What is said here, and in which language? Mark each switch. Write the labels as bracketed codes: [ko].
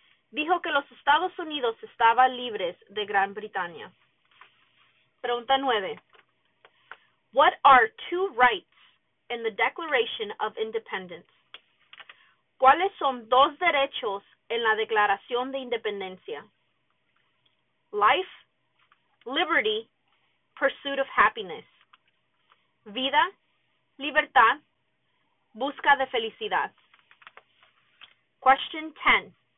[es] Dijo que los Estados Unidos estaban libres de Gran Bretaña. Pregunta 9. [en] What are two rights in the Declaration of Independence? [es] ¿Cuáles son dos derechos en la Declaración de Independencia? [en] Life, liberty, pursuit of happiness. [es] Vida, libertad, busca de felicidad. [en] Question 10.